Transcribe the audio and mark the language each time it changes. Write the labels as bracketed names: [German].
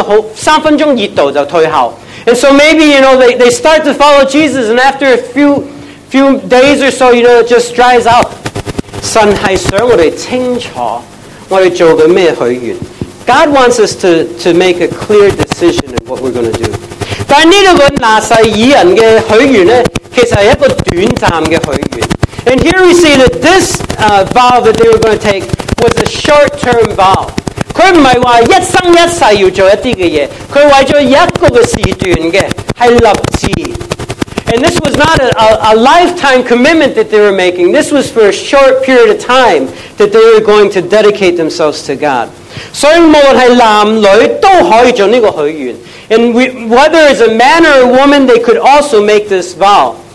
[Chinese] 於是他開始跟著耶穌,跟著那個三分鐘熱度就退後。 [English] And so maybe, you know, they start to follow Jesus and after a few days or so, you know, it just dries out. [Chinese] 神是想我們清楚我們做的什麼許願。 [English] God wants us to make a clear decision of what we're going to do. [Chinese] 但這個拿細耳人的許願呢,其實是一個短暫的許願。 [English] And here we see that this vow that they were going to take was a short-term vow. [Chinese] 他不是說一生一世要做一些事,他為了一個時段的,是立志。 [English] And this was not a lifetime commitment that they were making. This was for a short period of time that they were going to dedicate themselves to God. [Chinese] 所以無論是男女都可以做這個許願。 [English] And whether it's a man or a woman, they could also make this vow.